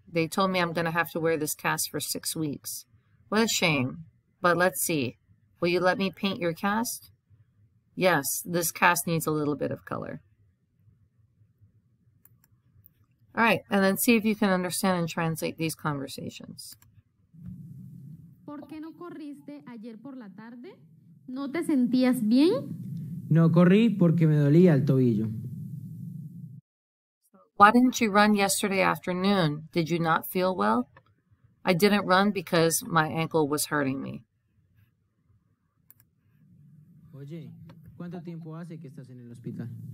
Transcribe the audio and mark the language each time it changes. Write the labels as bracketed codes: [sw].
[en] They told me I'm going to have to wear this cast for 6 weeks. What a shame. But let's see. Will you let me paint your cast? Yes, this cast needs a little bit of color. All right, and then see if you can understand and translate these conversations. [es] ¿Por qué no corriste ayer por la tarde? ¿No te sentías bien? No corrí porque me dolía el tobillo. [en] Why didn't you run yesterday afternoon? Did you not feel well? I didn't run because my ankle was hurting me. [es] Oye, ¿cuánto tiempo hace que estás en el hospital?